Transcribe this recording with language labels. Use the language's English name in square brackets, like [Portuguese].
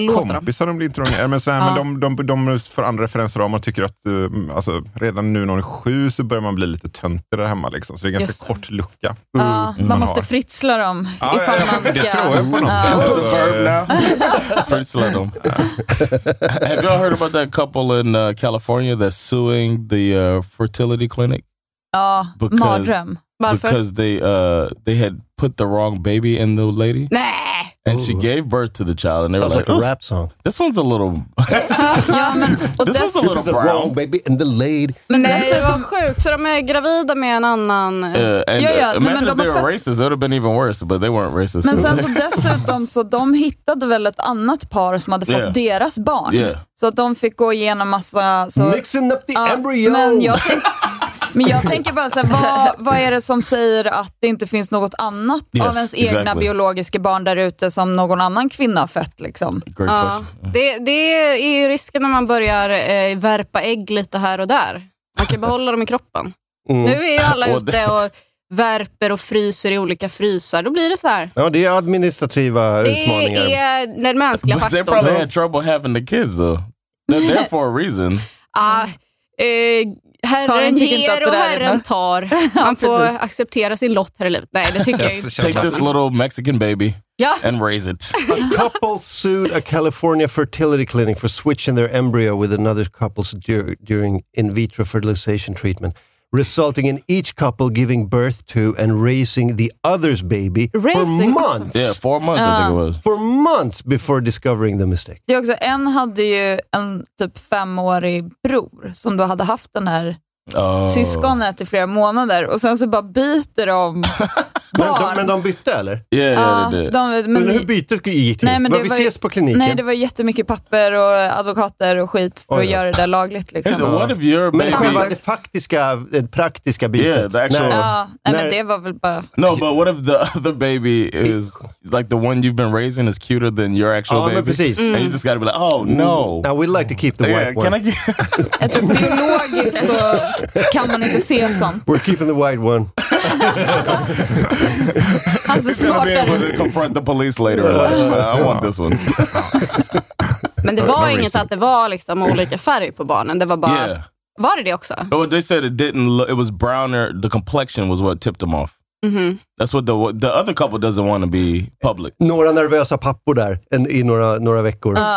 [Swedish] Nej, det är mer kompisar de blir inte. Men, de får andra referenser om och tycker att alltså, redan nu när de är sju så börjar man bli lite töntare hemma. Liksom. Så det är ganska kort lucka. Man måste fritsla dem ifall man ska. Det tror jag på något sätt. [English] Fritzler them. Have y'all heard about that couple in California that's suing the fertility clinic? [Swedish] Mardröm. [English] Because they had put the wrong baby in the lady. Nah. And she gave birth to the child, and they were like, "Like a rap song. This one's a little. this one's a little brown. The wrong baby and the lady. [Swedish] Men nej, det var sjukt. Så de är gravida med en annan. [English] Imagine if they were racist. It would have been even worse. But they weren't racist. [Swedish] Men sen så dessutom så de hittade väl ett annat par som hade fått deras barn. [English] Yeah. [Swedish] Så att de fick gå igenom massa. Så, [English] mixing up the embryos. [Swedish] Men jag tänker bara så här, vad är det som säger att det inte finns något annat av ens egna biologiska barn där ute som någon annan kvinna har fött liksom? Det är ju risken när man börjar värpa ägg lite här och där. Man kan behålla dem i kroppen. Mm. Nu är ju alla ute och värper och fryser i olika frysar, då blir det så här. Ja, det är administrativa utmaningar. Det är den mänskliga faktorn. [English] But they probably had trouble having the kids though. They're there for a reason. [Swedish] Herren ger och herren tar. Man får acceptera sin lott här i livet. Nej, det tycker jag inte. [English] Take this little Mexican baby and raise it. A couple sued a California fertility clinic for switching their embryo with another couple's during in vitro fertilization treatment, resulting in each couple giving birth to and raising the other's baby for months. Yeah, 4 months I think it was. For months before discovering the mistake. [Swedish] Det är också, en hade ju en typ femårig bror som då hade haft den här syskonet i flera månader och sen så bara byter de barn. men de bytte eller? [English] Yeah, [Swedish] men hur byter gick till? Nej, men vi ses på kliniken. Nej, det var jättemycket papper och advokater och skit för att göra det där lagligt liksom. [English] Hey, what if your baby... [Swedish] Men vad var det faktiska, det praktiska bytet? [English] Yeah, the actual... [Swedish] Nej, men det var väl bara... [English] No, but what if the other baby is like the one you've been raising is cuter than your actual baby? [Swedish] Ja, men precis. [English] And you just gotta be like, oh no. Now we'd like to keep the white one. [Swedish] Jag tror biologiskt så kan man inte se sånt. [English] We're keeping the white one. [Swedish] Alltså, [English] he's gonna be able to confront the police later. I want this one. [Swedish] Men det var inget att det var liksom olika färg på barnen. Det var bara var det också? [English] Oh, they said it didn't. It was browner. The complexion was what tipped them off. Mm-hmm. That's what the other couple doesn't want to be public. [Swedish] Några nervösa pappor där i några veckor.